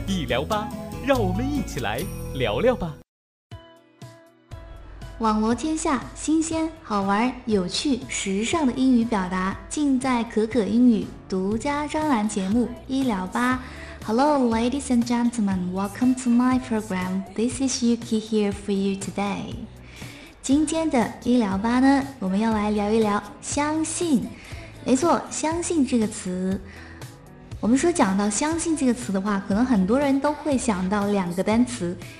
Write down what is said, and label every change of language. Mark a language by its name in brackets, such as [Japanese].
[Chinese] 医疗吧，让我们一起来聊聊吧。网罗天下新鲜好玩有趣时尚的英语表达，尽在可可英语独家专栏节目医疗吧。 [English] Hello, ladies and gentlemen, welcome to my program. This is Yuki here for you today. [Chinese] 今天的医疗吧呢，我们要来聊一聊相信。没错，相信这个词。我们说讲到相信这个词的话，可能很多人都会想到两个单词。